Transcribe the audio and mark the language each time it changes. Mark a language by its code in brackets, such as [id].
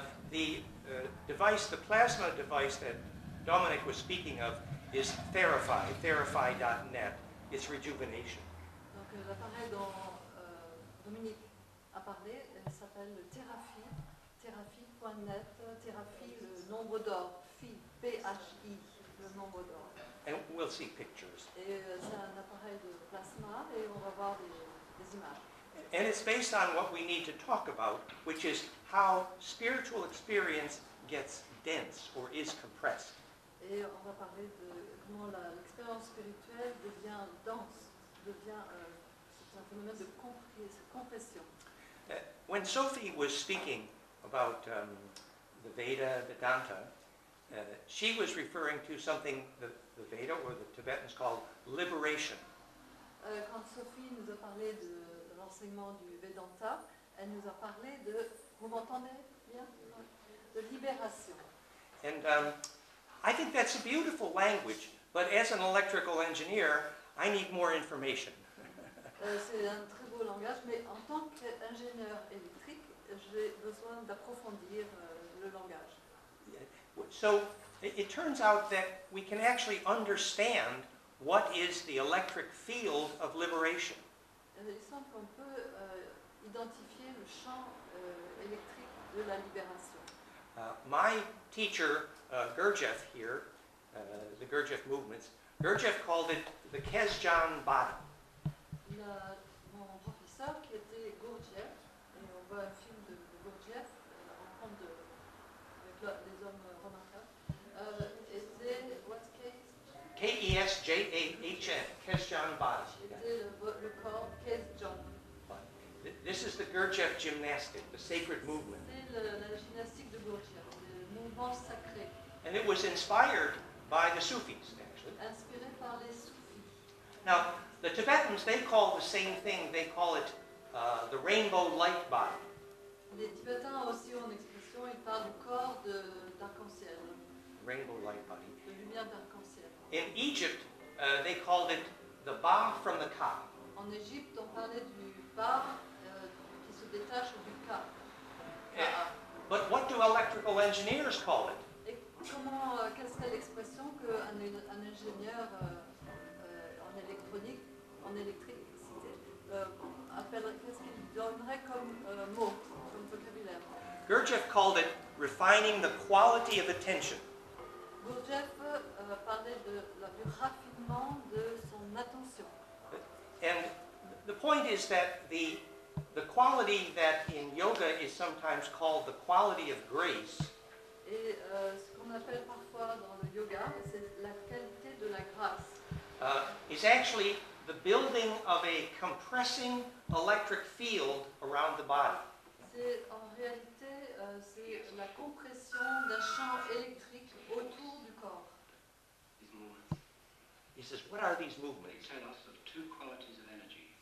[en] The device, the plasma device that Dominic was speaking of is Therify, therify.net. It's rejuvenation. [fr] Donc l'appareil dont Dominique a parlé s'appelle Therafy, therafy.net, Therafy, le nombre d'or, phi, P-H-I, le nombre d'or. [en] And we'll see pictures. [fr] Et c'est un appareil de plasma et on va voir des images. [en] And it's based on what we need to talk about, which is how spiritual experience gets dense or is compressed. [fr] Et on va parler de comment l'expérience spirituelle devient dense, c'est un phénomène de compression. [en] When Sophie was speaking about the Veda, Vedanta, she was referring to something the Veda or the Tibetans called liberation. [fr] Quand Sophie nous a parlé de l'enseignement du Vedanta, elle nous a parlé de, vous m'entendez bien, de libération. [en] And I think that's a beautiful language, but as an electrical engineer, I need more information. [fr] C'est un très beau langage, mais en tant qu'ingénieur électrique, j'ai besoin d'approfondir le langage. [en] So it turns out that we can actually understand what is the electric field of liberation. [fr] Il semble qu'on peut identifier le champ électrique de la libération. [en] My teacher, Gurdjieff here, the Gurdjieff movements, Gurdjieff called it the Kesjan bottom. [fr] Mon professeur qui était Gurdjieff, et on voit un film de Gurdjieff, la rencontre de, avec les hommes remarquables, était, [en] what's case? K-E-S-J-A-H-N, Kesjan bottom. [fr] Le corps Kesjan. [en] This is the Gurdjieff gymnastic, the sacred movement. [fr] C'est la gymnastique de Gurdjieff, le mouvement sacré. [en] And it was inspired by the Sufis, actually. [fr] Inspiré par les Sufis. [en] Now, the Tibetans, they call the same thing, they call it the rainbow light body. [fr] Les Tibétains aussi ont une expression, ils parlent du corps d'arc-en-ciel. [en] Rainbow light body. [fr] De lumière d'arc-en-ciel. [en] In Egypt, they called it the Ba from the Ka. [fr] En Égypte, on parlait du Ba qui se détache du Ka. [en] But what do electrical engineers call it? [fr] Comment, quelle serait l'expression qu'un ingénieur en électronique, en électricité, appellerait, qu'est-ce qu'il donnerait comme mot, comme vocabulaire? [en] Gurdjieff called it refining the quality of attention. [fr] Gurdjieff parlait du raffinement de son attention. [en] And the point is that the quality that in yoga is sometimes called the quality of grace. [fr] Et ce qu'on appelle parfois dans le yoga, c'est la qualité de la grâce. [en] It's actually the building of a compressing electric field around the body. [fr] C'est en réalité, c'est la compression d'un champ électrique autour du corps. [en] These movements. He says, what are these movements? They tell us of two qualities of energy.